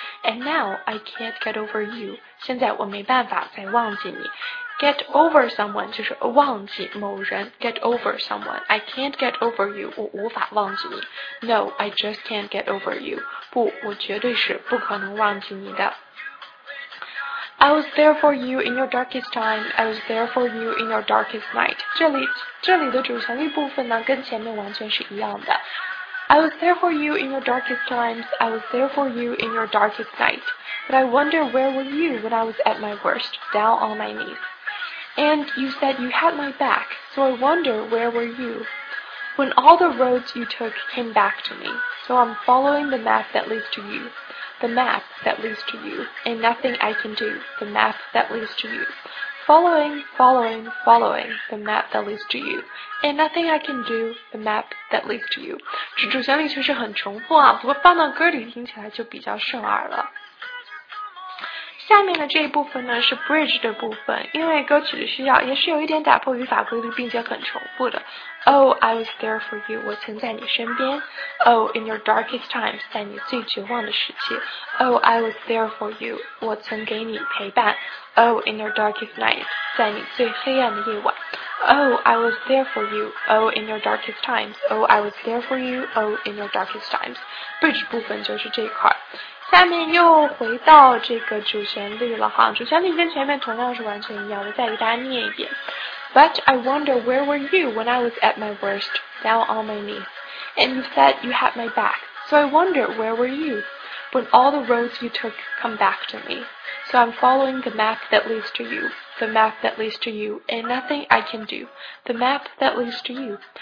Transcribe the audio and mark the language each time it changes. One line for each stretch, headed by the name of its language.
English: And now I can't get over you.
Chinese: 现在我没办法再忘记你。
English: Get over someone
Chinese: 就是忘记某人。
English: Get over someone. I can't get over you.
Chinese: 我无法忘记你。
English: No, I just can't get over you.
Chinese: 不，我绝对是不可能忘记你的。
English: I was there for you in your darkest time. I was there for you in your darkest night.
Chinese: 这里的主旋律部分呢，跟前面完全是一样的。
English: I was there for you in your darkest times. I was there for you in your darkest night. But I wonder where were you when I was at my worst, down on my knees. And you said you had my back. So I wonder where were you. When all the roads you took came back to me, so I'm following the map that leads to you. The map that leads to you, and nothing I can do. The map that leads to you. Following, following, following the map that leads to you, and nothing I can do. The map that leads to you.
Chinese: 这主旋律确实很重复啊，不过放到歌里听起来就比较顺耳了。下面的这一部分呢是 bridge 的部分，因为歌曲的需要，也是有一点打破语法规律，并且很重复的。
English: Oh, I was there for you.
Chinese: 我曾在你身边。
English: Oh, in your darkest times,
Chinese: 在你最绝望的时期。
English: Oh, I was there for you.
Chinese: 我曾给你陪伴。
English: Oh, in your darkest nights,
Chinese: 在你最黑暗的夜晚。
English: Oh, I was there for you. Oh, in your darkest times. Oh, I was there for you. Oh, in your darkest times. Bridge
Chinese: 部分就是这一块。下面又回到这个主旋律了哈，主旋律跟前面同样是完全一样的，再给大家念一遍。
English: But I wonder where were you when I was at my worst, down on my knees, and you said you had my back. So I wonder where were you when all the roads you took come back to me. So I'm following the map that leads to you, the map that leads to you, and nothing I can do, the map that leads to you.